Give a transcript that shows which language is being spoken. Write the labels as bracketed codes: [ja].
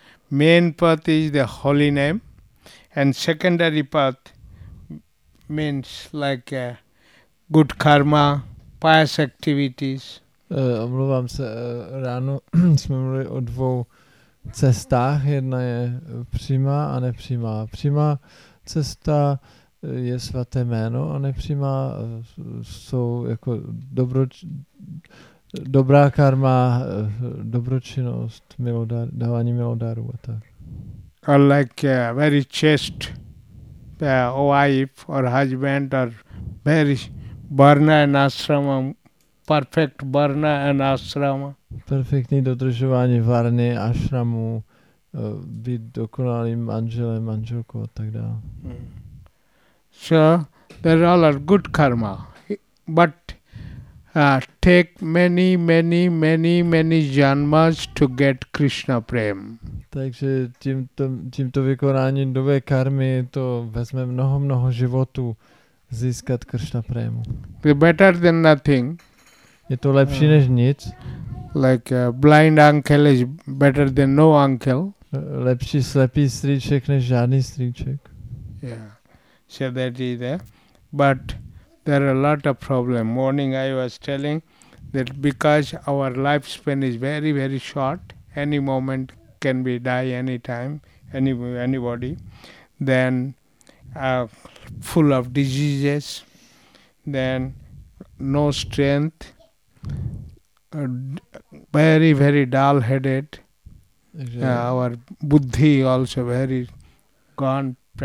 [en] Main path is the holy name, and secondary path means like a good karma, pious activities. [cs] Omlouvám se, ráno jsme mluvili o dvou cestách. Jedna je přímá a nepřímá. Přímá cesta je svaté jméno a nepřímá jsou jako dobrá karma, dobročinnost, dávání milodarů a tak. [en] Or like a very chaste wife or husband or very varna and ashrama, perfect varna and ashrama. [cs] Perfektní dodržování varny, ashramu, být dokonalým manželem, manželkou a tak dále. [en] So, there all are good karma, but take many janmas to get Krishna prem. [cs] Takže tímto vykonáním dobré karmy to vezme mnoho životů získat Krishna prému. [en] The better than nothing. [cs] Je to lepší než nic. [en] Like a blind uncle is better than no uncle. [cs] Lepší slepý strýček než žádný strýček. [en] Yeah. So that is there. But there are a lot of problem. Morning I was telling that because our lifespan is very, very short, any moment can be die any time, anybody, then full of diseases, then no strength, very, very dull-headed, our buddhi also very gone.